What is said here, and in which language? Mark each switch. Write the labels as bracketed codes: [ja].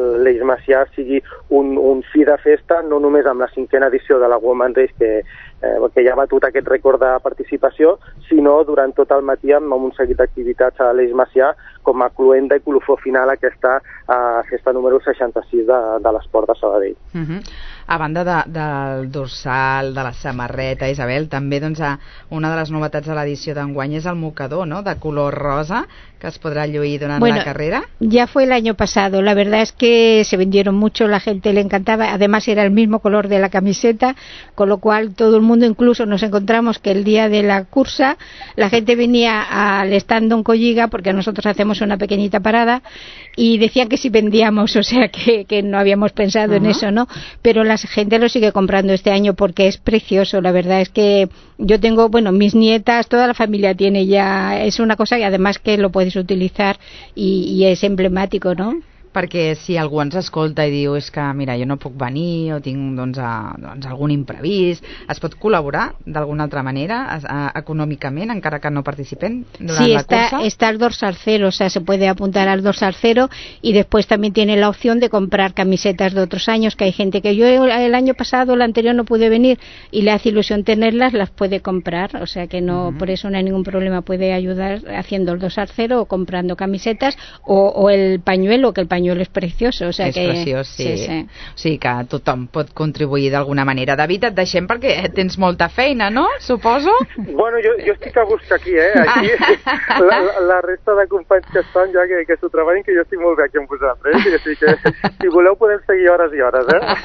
[ca] l'Eix Macià sigui un fi de festa, no només amb la 5a edició de la Woman Race, que ja ha batut aquest rècord de participació, sinó durant tot el matí amb un seguit d'activitats a l'Eix Macià com a cluenda i colofó final a aquesta festa número 66 de l'esport de Sabadell. Uh-huh. A banda del dorsal, de la samarreta, Isabel, també doncs, una de les novetats de l'edició d'enguany és el mocador, no?, de color rosa, que es podrà lluir durant la carrera. [es] Ya fue el año pasado, la verdad es que se vendieron mucho, la gente le encantaba, además era el mismo color de la camiseta, con lo cual todo el mundo, incluso nos encontramos que el día de la cursa la gente venía al stand Don Colliga, porque nosotros hacemos una pequeñita parada, y decían que si vendíamos, o sea que no habíamos pensado en eso, ¿no? Pero la gente lo sigue comprando este año porque es precioso, la verdad es que yo tengo, bueno, mis nietas, toda la familia tiene ya, es una cosa que además que lo puedes utilizar y es emblemático, ¿no? [ca] Perquè si algú ens escolta i diu és que mira, jo no puc venir o tinc doncs algun imprevist, es pot col·laborar d'alguna altra manera econòmicament, encara que no participem durant la cursa? Sí, està el dorsal cero, [es] o sea, se puede apuntar al dorsal cero y después también tiene la opción de comprar camisetas de otros años, que hay gente que yo el año pasado, el anterior no pude venir y le hace ilusión tenerlas, las puede comprar, o sea que no, por eso no hay ningún problema, puede ayudar haciendo el dorsal cero o comprando camisetas o el pañuelo, que el pañuelo es precioso, o sea es que... [ca] És preciós, sí. Sí, que tothom pot contribuir d'alguna manera. David, et deixem perquè tens molta feina, no? Suposo? Bueno, jo estic a gust aquí, eh? Aquí, la resta de companys que estan ja que s'ho treballin, que jo estic molt bé aquí amb vosaltres, així que si voleu podem seguir hores i hores, eh?